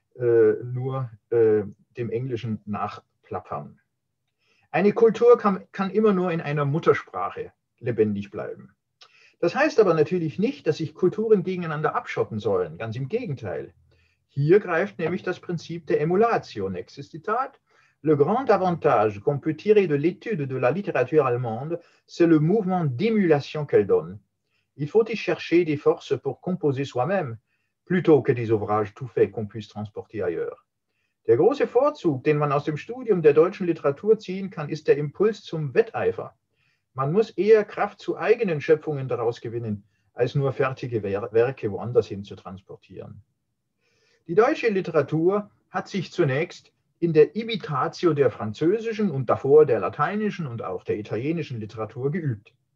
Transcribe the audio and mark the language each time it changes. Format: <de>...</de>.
<de>nur dem Englischen nachplappern. Eine Kultur kann immer nur in einer Muttersprache lebendig bleiben. Das heißt aber natürlich nicht, dass sich Kulturen gegeneinander abschotten sollen. Ganz im Gegenteil. Hier greift nämlich das Prinzip der Emulatio. Nächstes Zitat.</de> <fr>Le grand avantage qu'on peut tirer de l'étude de la littérature allemande, c'est le mouvement d'émulation qu'elle donne. Il faut y chercher des forces pour composer soi-même, plutôt que des ouvrages tout faits qu'on puisse transporter ailleurs.</fr> <de>Der große Vorzug, den man aus dem Studium der deutschen Literatur ziehen kann, ist der Impuls zum Wetteifer. Man muss eher Kraft zu eigenen Schöpfungen daraus gewinnen, als nur fertige Werke woanders hin zu transportieren. Die deutsche Literatur hat sich zunächst in der Imitatio der französischen und davor der lateinischen und auch der italienischen Literatur geübt.</de>